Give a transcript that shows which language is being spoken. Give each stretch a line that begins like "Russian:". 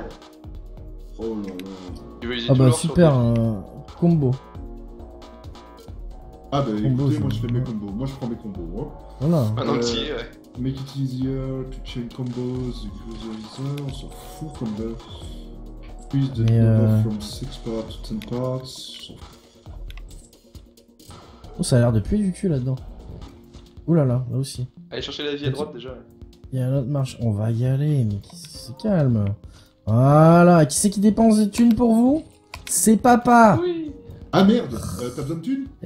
French: là. Oh là là. Ah bah super, combo. Ah bah combo, écoutez, moi je fais mes combos, moi je prends mes combos, hein. Voilà. Un entier, ouais.
English: Make it easier to chain combos, user,
French: on s'en fout comme d'hab.
English: Increase the number from 6 parts to 10 parts.
French: Oh, ça a l'air de puer du cul là-dedans. Oulala, là aussi. Allez chercher la vie à droite déjà. Il y a un autre marche, on va y aller, mais c'est calme. Voilà, qui c'est qui dépense des thunes pour vous? C'est papa. Oui. Ah merde, t'as besoin de thunes?